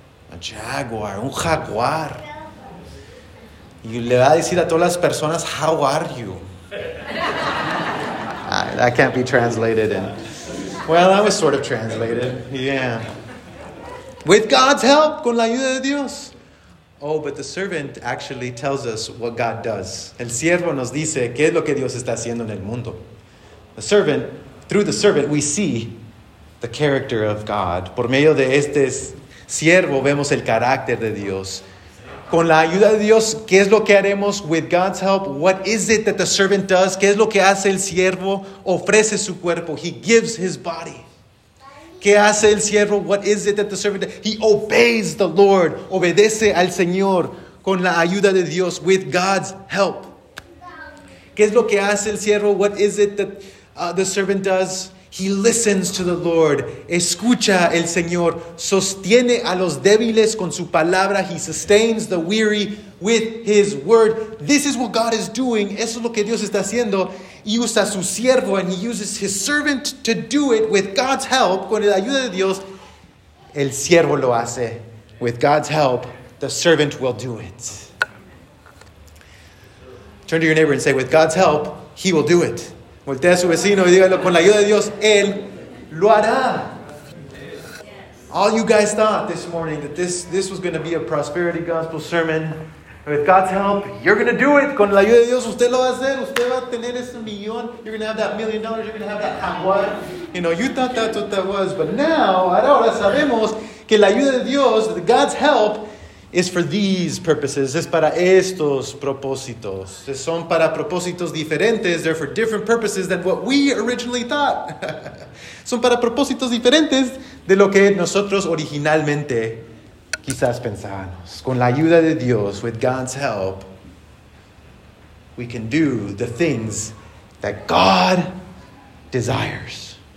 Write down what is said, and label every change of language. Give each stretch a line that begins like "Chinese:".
English: A jaguar,
Spanish: un jaguar. Y le va a decir a todas las personas,
English: how are you? That can't be translated. Well, that was sort of translated, yeah. With God's help,
Spanish: con la ayuda de Dios.
English: Oh, but the servant actually tells us what God does.
Spanish: El siervo nos dice qué es lo que Dios está haciendo en el mundo.
English: The servant, through the servant, we see the character of God.
Spanish: Por medio de este siervo, vemos el carácter de Dios. Con la ayuda de Dios, ¿qué es lo que haremos?
English: With God's help, what is it that the servant does?
Spanish: ¿Qué es lo que hace el siervo? Ofrece su cuerpo.
English: He gives his body.
Spanish: ¿Qué hace el siervo?
English: What is it that the servant does? He obeys the Lord.
Spanish: Obedece al Señor con la ayuda de Dios.
English: With God's help.
Spanish: ¿Qué es lo que hace el siervo?
English: What is it that the servant does? He listens to the Lord.
Spanish: Escucha el Señor. Sostiene a los débiles con su palabra.
English: He sustains the weary with his word. This is what God is doing.
Spanish: Eso es lo que Dios está haciendo. Y usa su siervo,
English: and he uses his servant to do it with God's help.
Spanish: Con la ayuda de Dios, el siervo lo hace.
English: With God's help, the servant will do it. Turn to your neighbor and say, with God's help, he will do it.
Spanish: Voltea a su vecino y dígalo, con la ayuda de Dios, él lo hará.
English: All you guys thought this morning that this was going to be a prosperity gospel sermon. With God's help, you're going to do it.
Spanish: Con la ayuda de Dios, usted lo va a hacer. Usted va a tener ese millón.
English: You're going to have that $1,000,000. You're going to have that jaguar. You thought that's what that was. But now,
Spanish: ahora sabemos que la ayuda de Dios,
English: God's help, is for these purposes.
Spanish: Es para estos propósitos. Son para propósitos diferentes.
English: They're for different purposes than what we originally thought.
Spanish: Son para propósitos diferentes de lo que nosotros originalmente quizás pensábamos. Con la ayuda de Dios,
English: with God's help, we can do the things that God desires.